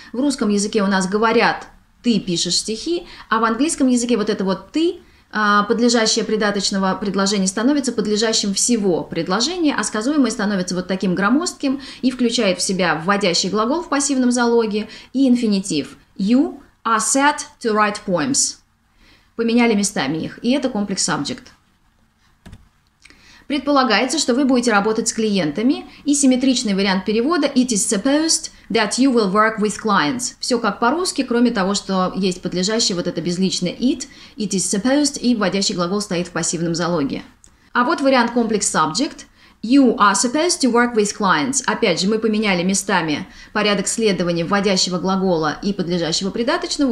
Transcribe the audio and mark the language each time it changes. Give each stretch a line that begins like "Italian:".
Russian: В русском языке у нас говорят «ты пишешь стихи», а в английском языке вот это вот «ты», подлежащее придаточного предложения, становится подлежащим всего предложения, а сказуемое становится вот таким громоздким и включает в себя вводящий глагол в пассивном залоге и инфинитив.
English: You are set to write poems.
Russian: Поменяли местами их. И это комплекс subject. Предполагается, что вы будете работать с клиентами. И симметричный вариант перевода.
English: It is supposed that you will work with clients.
Russian: Все как по-русски, кроме того, что есть подлежащее вот это безличное it.
English: It is supposed.
Russian: И вводящий глагол стоит в пассивном залоге. А вот вариант комплекс
English: subject. You are supposed to work with clients.
Russian: Опять же, мы поменяли местами порядок следования вводящего глагола и подлежащего придаточного.